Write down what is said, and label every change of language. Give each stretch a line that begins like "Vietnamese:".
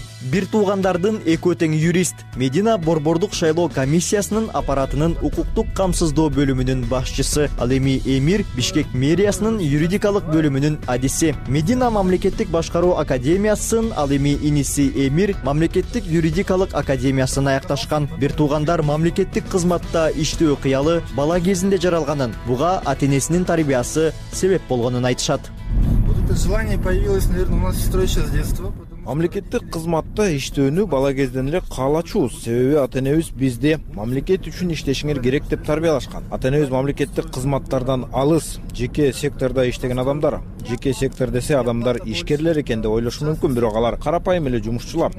Kyrgyz: Бир туугандардын экөө тең юрист Медина борбордук шайлоо комиссиясынын аппаратынын укуктук камсыздоо бөлүмүнүн башчысы, ал эми Эмир Бишкек мэриясынын юридикалык бөлүмүнүн адиси. Медина мамлекеттик башкаруу академиясын, ал эми иниси Эмир мамлекеттик юридикалык академиясын аякташкан. Бир туугандар мамлекеттик кызматта иштөө кыялы бала кезинде жаралганын, буга ата-энесинин тарбиясы себеп болгонун айтышат.
Russian: Вот это желание появилось, наверное, у нас сестрой сейчас с детства.
Kyrgyz: Мамлекеттик кызматта иштөөнү бала кезден эле каалачубуз. Себеби ата-энебиз бизди мамлекет үчүн иштешиңер керек деп тарбиялашкан. Ата-энебиз мамлекеттик кызматтардан алыс, жеке секторда иштеген адамдар. Жеке сектор десе адамдар ишкерлер экен деп ойлошу мүмкүн, бирок алар карапайым эле жумушчулар.